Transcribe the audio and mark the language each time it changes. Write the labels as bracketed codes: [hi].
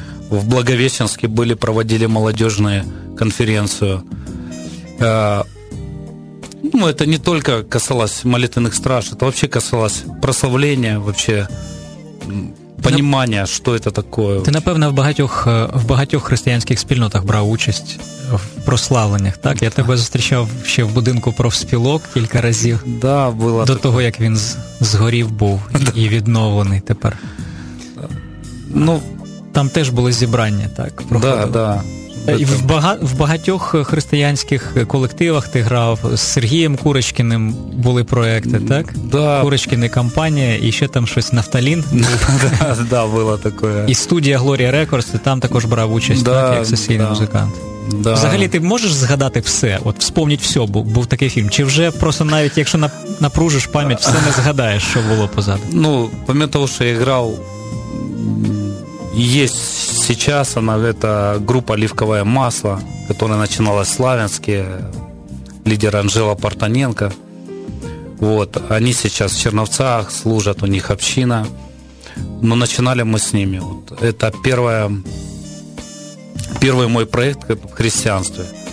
[ru] В Благовещенске были, проводили молодежную конференцию. Ну, это не только касалось молитвенных страж, это вообще касалось прославления, вообще понимания, что это такое. [uk] Ты, напевно, в багатьох християнських спільнотах брав участь в прославленнях, так? Я тебе зустрічав ще в будинку профспілок кілька разів. [ru] Да, было [uk] до того, як він згорів був і відновлений тепер. Ну, там теж були зібрання, так? [ru] Да, да. [uk] І в багатьох християнських колективах ти грав. З Сергієм Курочкіним були проекти, так? [ru] Да. [uk] Курочкін і компанія, і ще там щось, Нафталін. Да, було таке. І студія Gloria Records, ти там також брав участь, так, як сесійний музикант. [ru] Да. [uk] Взагалі, ти можеш згадати все? От, вспомніть все, був такий фільм. Чи вже просто навіть, якщо напружиш пам'ять, все не згадаєш, що було позаду? Ну, пам'ятаю, що я грав. [ru] Есть сейчас она, это группа «Оливковое масло», которая начиналась в Славянске, лидер Анжела Портаненко. Вот, они сейчас в Черновцах служат, у них община. Но начинали мы с ними. Вот, это первый мой проект в христианстве.